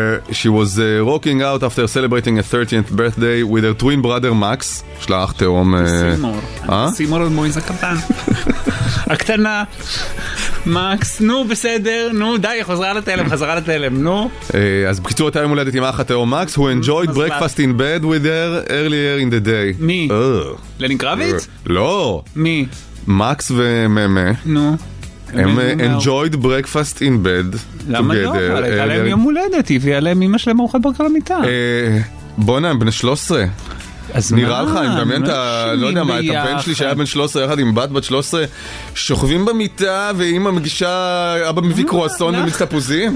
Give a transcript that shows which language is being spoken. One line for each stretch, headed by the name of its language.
English: She was rocking out after celebrating a 30th birthday with her twin brother Max.
Hebrew: שלה אח תאום... סימור, מויז הקטן. הקטנה, Max, נו בסדר, נו די, חזרה לתלם, חזרה לתלם, נו. אז בקיצור, אותה יום הולדת עם אח תאום
English: Max, who enjoyed breakfast in bed with her earlier in the day.
Hebrew: מי? לני קרביץ? לא. מי? מקס וממה. נו. הם
English: enjoyed breakfast in bed.
Hebrew: למה לא? הייתה להם יום הולדת, הביאה להם אמא שלהם ארוחת בוקר למיטה. בוא נעם, בני 13. נראה לך, אני מדמיין את ה... לא יודע מה, את הבן שלי שהיה בן 13, יחד עם בת 13, שוכבים במיטה, ואמא מגישה, אבא מביא קרואסון ומצטפוזים.